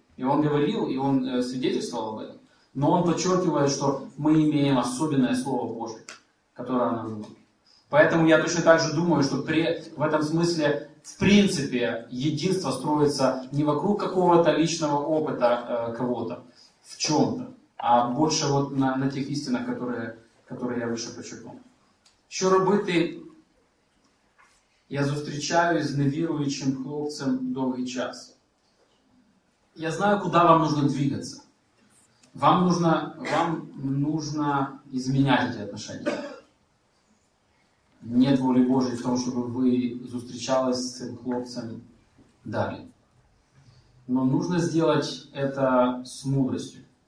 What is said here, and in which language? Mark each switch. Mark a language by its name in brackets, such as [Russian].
[Russian] И он говорил, и он свидетельствовал об этом. Но он подчеркивает, что мы имеем особенное Слово Божие, которое нам нужно. Поэтому я точно так же думаю, что в этом смысле, в принципе, единство строится не вокруг какого-то личного опыта кого-то в чем-то, а больше вот на тех истинах, которые я выше подчеркнул. [Ukrainian] Еще робити, я зустрічаюсь з невіруючим хлопцем довгий час. [Russian] Я знаю, куда вам нужно двигаться. Вам нужно изменять эти отношения. Нет воли Божьей в том, чтобы вы встречались с этим хлопцем далее. Но нужно сделать это с мудростью.